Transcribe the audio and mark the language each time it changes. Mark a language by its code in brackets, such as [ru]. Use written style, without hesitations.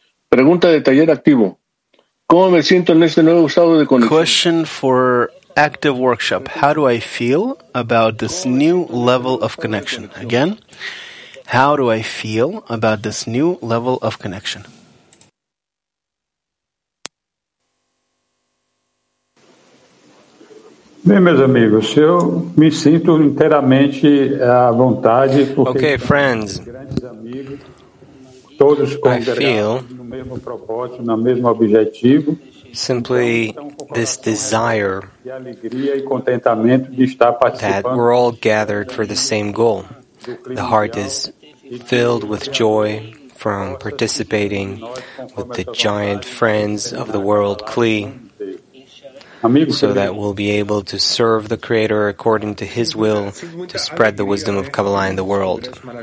[es] Pregunta de taller activo. ¿Cómo me siento en este nuevo estado de conexión? [en] Question for active workshop. How do I feel about this new level of connection? Again, how do I feel about this new level of connection? [pt] Bem, meus amigos, eu me sinto inteiramente à vontade porque [en] okay, friends. I feel simply this desire that we're all gathered for the same goal. The heart is filled with joy from participating with the giant friends of the world, Kli, so that we'll be able to serve the Creator according to His will to spread the wisdom of Kabbalah in the world.